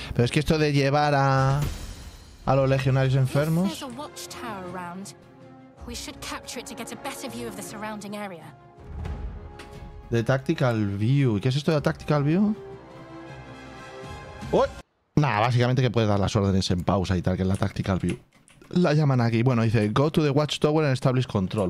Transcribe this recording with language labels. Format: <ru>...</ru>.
<es>Pero es que esto de llevar a los legionarios enfermos.</es> <en>If there's a watchtower around, we should capture it to get a better view of the surrounding area. The tactical view.</en> <es>¿Y qué es esto de tactical view? ¡Uy! Nada, básicamente que puede dar las órdenes en pausa y tal, que es la tactical view. La llaman aquí. Bueno, dice,</es> <en>go to the watchtower and establish control.</en>